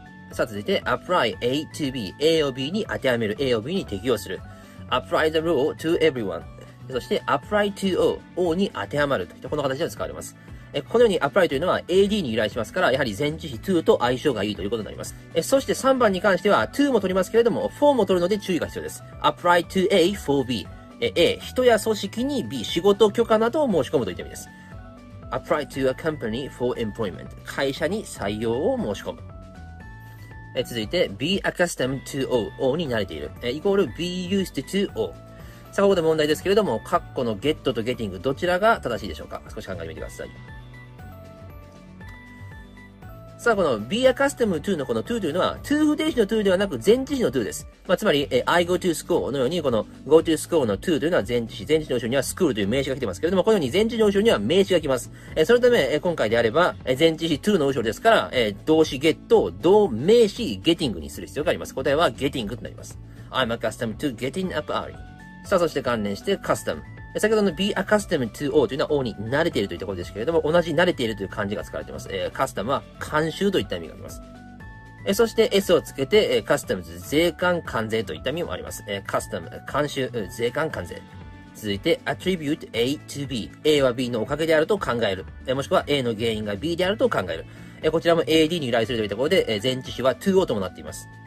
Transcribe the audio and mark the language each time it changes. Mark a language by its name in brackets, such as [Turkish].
[Japanese] さあ続いて apply A to B、 A を B に当てはめる、 A を B に適用する、 [English] apply the rule to everyone、 [Japanese] そして apply to O、 O に当てはまるといった、この形で使われます。このように apply というのは AD に由来しますから、やはり前置詞 to と相性がいいということになります。そして3番に関しては to も取りますけれども、 for も取るので注意が必要です。 apply to A for B、 A 人や組織に、 B 仕事許可などを申し込むといった意味です。 [English] apply to a company for employment、 [Japanese] 会社に採用を申し込む。続いて be accustomed to O、 O に慣れている、イコール be used to O。さあここで問題ですけれども、カッコの get と getting、 どちらが正しいでしょうか。少し考えてみてください。さあこの be accustomed to のこの to というのは to 不定詞の to ではなく前置詞の to です。まあ、つまり [English] I go to school [Japanese] のように、この go to school の to というのは前置詞、前置詞の後ろには school という名詞が来てますけれども、このように前置詞の後ろには名詞が来ます。そのため今回であれば前置詞 to の後ろですから、動詞 get を動名詞 getting にする必要があります。答えは getting となります。 [English] I'm accustomed to getting up early。 [Japanese] さあそして関連して custom、 先ほどの be accustomed to O というのは O に慣れているというところですけれども、同じ慣れているという漢字が使われています。 custom は慣習といった意味があります。そして S をつけて customs、 税関関税といった意味もあります。 custom、 慣習、税関関税。続いて attribute A to B、 A は B のおかげであると考える、もしくは A の原因が B であると考える、こちらも AD に由来するというところで、前置詞は to O ともなっています。